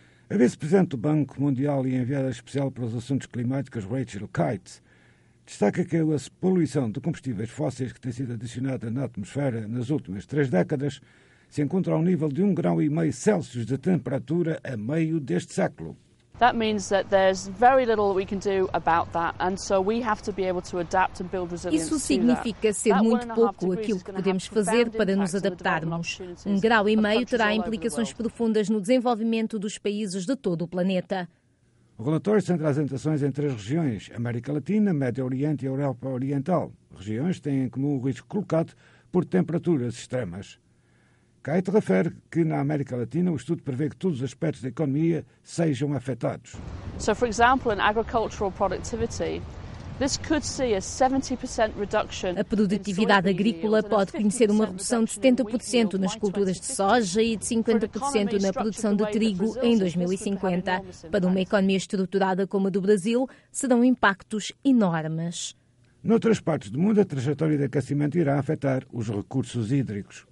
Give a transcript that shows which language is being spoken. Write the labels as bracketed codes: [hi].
[pt] A vice-presidente do Banco Mundial e enviada especial para os assuntos climáticos, Rachel Kites, destaca que a poluição de combustíveis fósseis que tem sido adicionada na atmosfera nas últimas 3 décadas se encontra ao nível de 1,5 grau Celsius de temperatura a meio deste século. [en] That means that there's very little we can do about that, and so we have to be able to adapt and build resilience. [pt] Isso significa ser muito pouco aquilo que podemos fazer para nos adaptarmos. 1,5 grau terá implicações profundas no desenvolvimento dos países de todo o planeta. O relatório centra as atenções em 3 regiões: América Latina, Médio Oriente e Europa Oriental. Regiões que têm em comum o risco colocado por temperaturas extremas. Kite refere que na América Latina o estudo prevê que todos os aspectos da economia sejam afetados. [en] So, for example, in agricultural productivity, this could see a 70% reduction. [pt] A produtividade agrícola pode conhecer uma redução de 70% nas culturas de soja e de 50% na produção de trigo em 2050. Para uma economia estruturada como a do Brasil, serão impactos enormes. Noutras partes do mundo, a trajetória de aquecimento irá afetar os recursos hídricos.